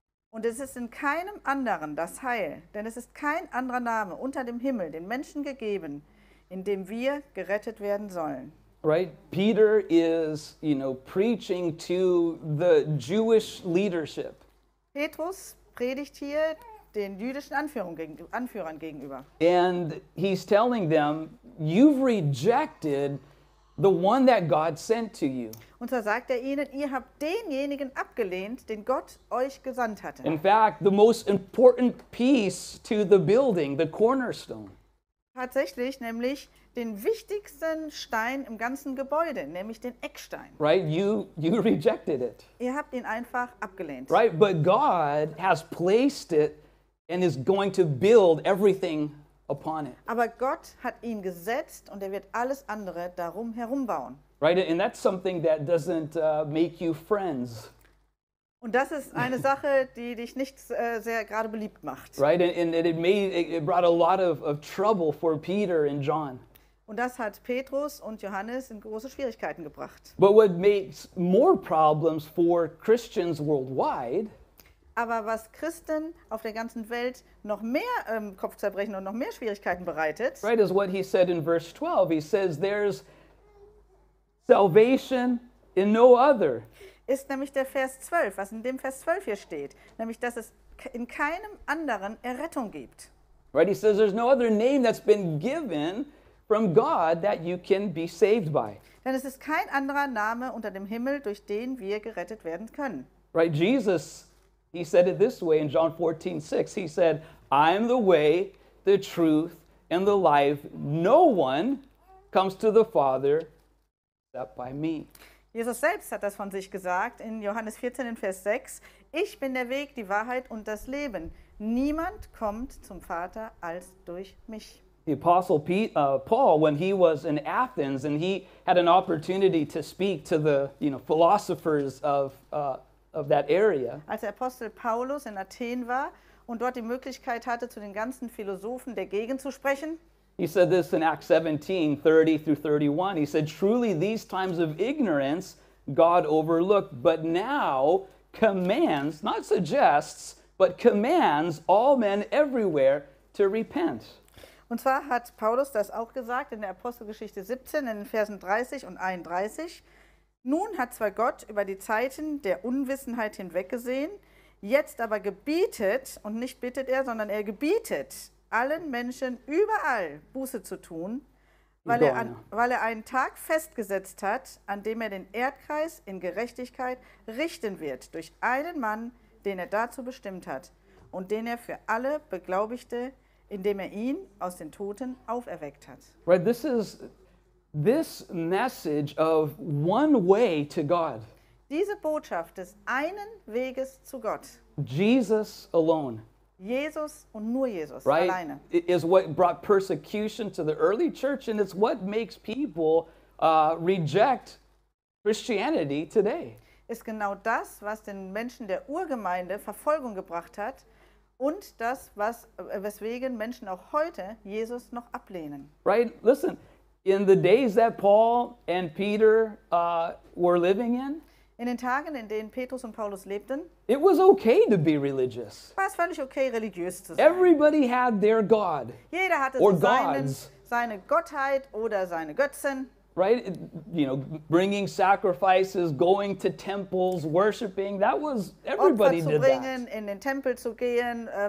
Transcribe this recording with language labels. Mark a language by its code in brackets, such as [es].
[de] Und es ist in keinem anderen das Heil, denn es ist kein anderer Name unter dem Himmel den Menschen gegeben, in dem wir gerettet werden sollen. [en] Right? Peter is, you know, preaching to the Jewish leadership. [de] Petrus predigt hier den jüdischen Anführern gegenüber. [en] And he's telling them, you've rejected the one that God sent to you. [de] Und so sagt er ihnen, ihr habt denjenigen abgelehnt, den Gott euch gesandt hatte. [en] In fact, the most important piece to the building, the cornerstone. [de] Tatsächlich, nämlich den wichtigsten Stein im ganzen Gebäude, nämlich den Eckstein. [en] Right, you rejected it. [de] Ihr habt ihn einfach abgelehnt. [en] Right, but God has placed it and is going to build everything upon it. [de] Aber Gott hat ihn gesetzt und er wird alles andere darum herum bauen. [en] Right, and that's something that doesn't make you friends. [de] Und das ist eine Sache, die dich nicht sehr gerade beliebt macht. [en] Right, and it brought a lot of trouble for Peter and John. [de] Und das hat Petrus und Johannes in große Schwierigkeiten gebracht. [en] But what makes more problems for Christians worldwide? [de] Aber was Christen auf der ganzen Welt noch mehr Kopfzerbrechen und noch mehr Schwierigkeiten bereitet. [en] Right, is what he said in verse 12. He says, there's salvation in no other. [de] Ist nämlich der Vers 12, was in dem Vers 12 hier steht. Nämlich, dass es in keinem anderen Errettung gibt. [en] Right, he says, there's no other name that's been given from God that you can be saved by. [de] Denn es ist kein anderer Name unter dem Himmel, durch den wir gerettet werden können. [en] Right, Jesus, he said it this way in John 14:6. He said, I am the way, the truth, and the life. No one comes to the Father except by me. [de] Jesus selbst hat das von sich gesagt in Johannes 14, in Vers 6. Ich bin der Weg, die Wahrheit und das Leben. Niemand kommt zum Vater als durch mich. [en] The Apostle Paul, when he was in Athens and he had an opportunity to speak to the, you know, philosophers of that area. [de] Als der Apostel Paulus in Athen war und dort die Möglichkeit hatte, zu den ganzen Philosophen der Gegend zu sprechen. [en] He said this in Acts 17, 30 through 31. He said, truly these times of ignorance God overlooked, but now commands, not suggests, but commands all men everywhere to repent. [de] Und zwar hat Paulus das auch gesagt in der Apostelgeschichte 17, in den Versen 30 und 31. Nun hat zwar Gott über die Zeiten der Unwissenheit hinweggesehen, jetzt aber gebietet, und nicht bittet er, sondern er gebietet, allen Menschen überall Buße zu tun, weil er einen Tag festgesetzt hat, an dem er den Erdkreis in Gerechtigkeit richten wird, durch einen Mann, den er dazu bestimmt hat und den er für alle Beglaubigte indem er ihn aus den Toten auferweckt hat. [en] Right, this is this message of one way to God. [de] Diese Botschaft des einen Weges zu Gott. [en] Jesus alone. [de] Jesus und nur Jesus, [en] right? [de] Alleine. [en] It is what brought persecution to the early church, and it's what makes people reject Christianity today. [de] Ist genau das, was den Menschen der Urgemeinde Verfolgung gebracht hat und das, was, weswegen Menschen auch heute Jesus noch ablehnen. [en] Right, listen, in the days that Paul and Peter were living in, [de] in den Tagen, in denen Petrus und Paulus lebten, [en] it was okay to be religious. [de] War es völlig okay, religiös zu sein. [en] Everybody had their God. [de] Jeder hatte or seinen, gods. Seine Gottheit oder seine Götzen. [en] Right? You know, bringing sacrifices, going to temples, worshiping. That was, everybody did that. [de] Opfer zu bringen, in den Tempel zu gehen.